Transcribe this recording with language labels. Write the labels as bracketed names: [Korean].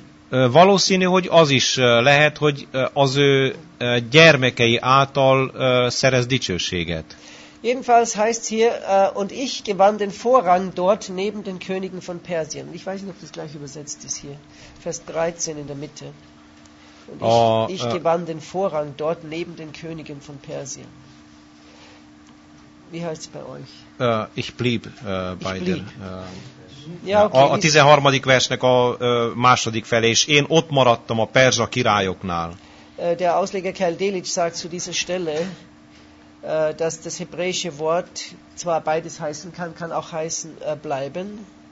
[Hungarian] Valószínű, hogy az is lehet, hogy az ő gyermekei által szerez dicsőséget. [German] Jedenfalls heißt hier und ich gewann den Vorrang dort neben den Königen von Persien. Ich weiß nicht, ob das gleich übersetzt ist hier. Vers 13 in der Mitte. Und ich gewann den Vorrang dort neben den Königen von Persien. Wie heißt es bei euch? Ich blieb bei den. Ja, okay, [Hungarian] a 13. versnek a második fele, és én ott maradtam a perzsa királyoknál. [German] Der Ausleger Karl Delitzsch sagt zu dieser Stelle, dass das hebräische Wort zwar beides heißen kann, kann auch heißen bleiben.